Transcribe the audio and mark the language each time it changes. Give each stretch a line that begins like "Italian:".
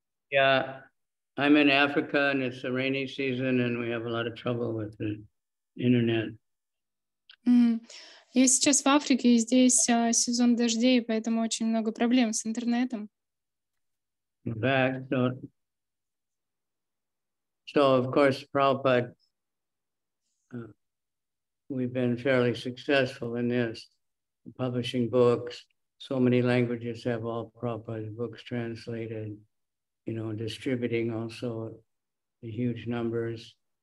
English: Yeah, I'm in Africa and it's a rainy season and we have a lot of trouble with the internet.
Russian: Я сейчас в Африке, и здесь сезон дождей, поэтому очень много проблем с интернетом.
English: So, of course, Prabhupada, we've been fairly successful in this, publishing books. So many languages have all Prabhupada's books translated, you know, distributing also the huge numbers.